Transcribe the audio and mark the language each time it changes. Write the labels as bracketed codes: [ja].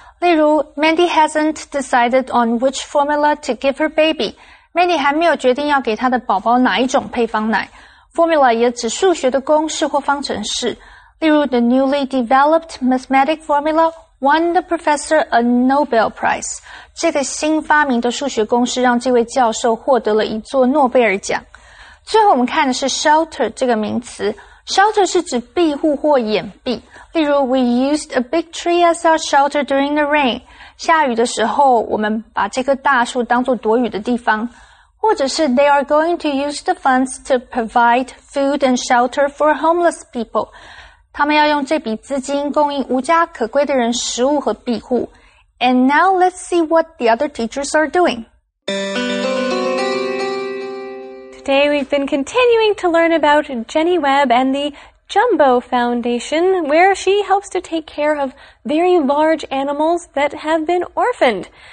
[zh] 例如 [en] ,Mandy hasn't decided on which formula to give her baby. [zh] Mandy 还没有决定要给她的宝宝哪一种配方奶。Formula 也指数学的公式或方程式。例如 [en] ,the newly developed mathematic formula won the professor a Nobel Prize. [zh] 这个新发明的数学公式让这位教授获得了一座诺贝尔奖。最后我们看的是 shelter 这个名词。Shelter 是指庇护或掩蔽。例如 [en] ,we used a big tree as our shelter during the rain. [zh] 下雨的时候我们把这棵大树当作躲雨的地方。或者是 [en] ,they are going to use the funds to provide food and shelter for homeless people. [zh] 他们要用这笔资金供应无家可归的人食物和庇护。 [en] And now let's see what the other teachers are doing. Today we've been continuing to learn about Jenny Webb and the Jumbo Foundation, where she helps to take care of very large animals that have been orphaned.